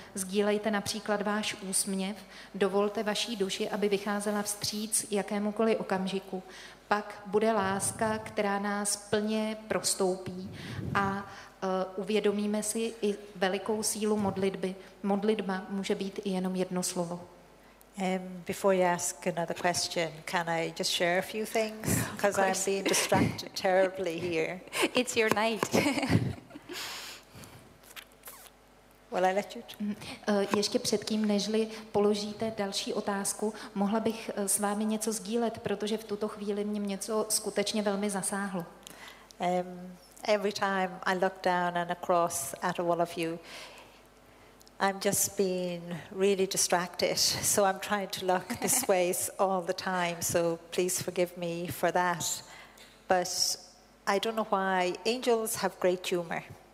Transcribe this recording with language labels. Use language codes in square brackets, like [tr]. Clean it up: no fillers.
[cs] Sdílejte například váš úsměv, dovolte vaší duši, aby vycházela vstříc jakémukoliv okamžiku. Pak bude láska, která nás plně prostoupí a uvědomíme si i velikou sílu modlitby. Modlitba může být i jenom jedno slovo. [en] Before you ask another question, can I just share a few things? Because I'm being distracted terribly here. It's your night. Well, I let you. [cs] Ještě předtím, nežli položíte další otázku, mohla bych s vámi něco sdílet, protože v tuto chvíli mě něco skutečně velmi zasáhlo. [en] Every time I look down and across at all of you, I'm just being really distracted. So I'm trying to look this way all the time. So please forgive me for that. But I don't know why angels have great humor.